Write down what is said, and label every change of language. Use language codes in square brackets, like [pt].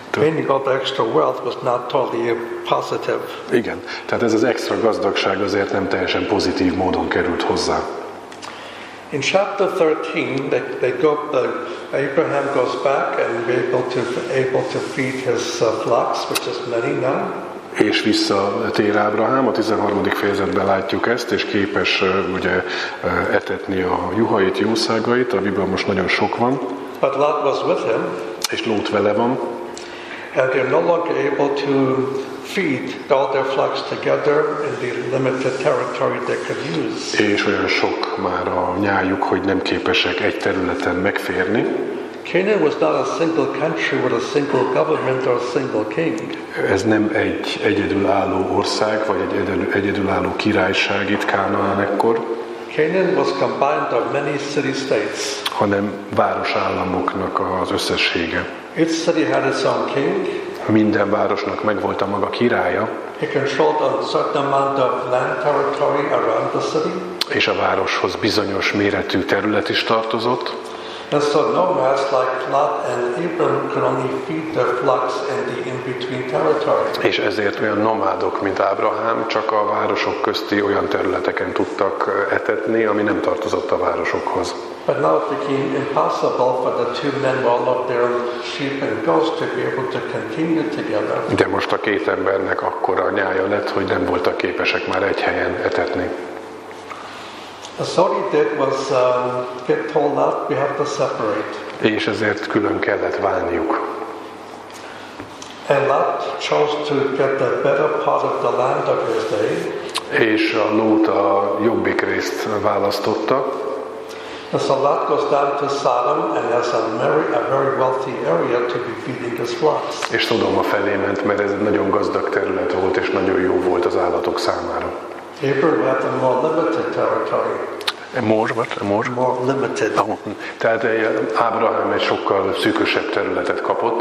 [en] Gaining all the extra wealth was not totally positive. [hu] Igen, tehát ez az extra gazdagság azért nem teljesen pozitív módon került hozzá. [en] In chapter 13, Abraham goes back and is able to feed his flocks, which is many now. [hu] És vissza tér Ábrahám, a 13. fejezetben látjuk ezt, és képes ugye etetni a juhait, jószágait, amiből most nagyon sok van. [en] But Lot was with him. [hu] És Lót vele van. [en] And they're no longer able to feed all their flocks together in the limited territory they could use. [hu] És olyan sok már a nyájuk, hogy nem képesek egy területen megférni. [en] Canaan was not a single country with a single government or a single king. [hu] Ez nem egy egyedülálló ország, vagy egy egyedülálló királyság itt Kánaán ekkor. [en] Canaan was combined of many city states. [hu] Hanem városállamoknak az összessége. [en] Each city had its own king. [hu] Minden városnak megvolt a maga királya. [en] He controlled a certain amount of land territory around the city. [hu] És a városhoz bizonyos méretű terület is tartozott. [en] And so nomads like Lot and Abram could only feed their flocks in the in-between territory. [hu] És ezért olyan nomádok, mint Ábrahám, csak a városok közti olyan területeken tudtak etetni, ami nem tartozott a városokhoz. [en] But now it became impossible for the two men with all of their sheep and goats to be able to continue together. [hu] De most a két embernek akkora nyája lett, hogy nem voltak képesek már egy helyen etetni. [en] So what he did was get told out, we have to separate. [hu] És ezért külön kellett válniuk. [en] And Lot chose to get the better part of the land of his day. [hu] És a Lót a jobbik részt választotta. [en] And so Lot goes down to Sodom and has a very wealthy area to be feeding his flocks. [hu] És Sodoma felé ment, mert ez nagyon gazdag terület volt és nagyon jó volt az állatok számára. [en] Abram had a more limited territory. More limited. Oh. [hu] Tehát Ábrahám egy sokkal szűkösebb területet kapott.